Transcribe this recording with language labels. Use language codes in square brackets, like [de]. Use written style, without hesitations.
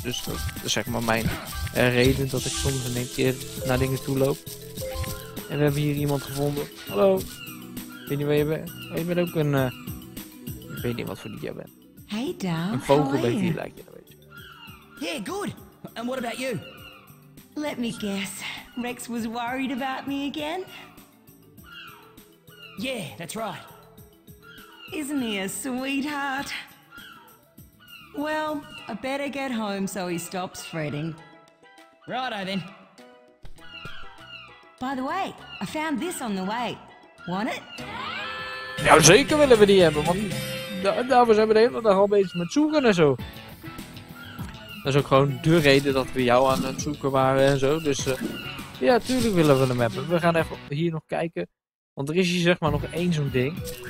[nl] Dus dat is zeg maar mijn reden dat ik soms in een keer naar dingen toe loop. En we hebben hier iemand gevonden. Hallo. Weet niet waar je bent. Oh, je bent ook een, ik weet niet wat voor dier je bent. [en] Hey Dal, [nl] een vogel bij die lijkt je dat weet je. [en] Yeah, good. And what about you? Let me guess. Rex was worried about me again? Yeah, that's right. Isn't he a sweetheart? Well, I better get home so he stops fretting. Righto then. By the way, I found this on the way. Want it? [nl] Nou, zeker willen we die hebben, want daarvoor zijn we de hele dag al bezig met zoeken en zo. Dat is ook gewoon de reden dat we jou aan het zoeken waren en zo. Dus ja, tuurlijk willen we hem hebben. We gaan even hier nog kijken. Want er is hier zeg maar nog één zo'n ding.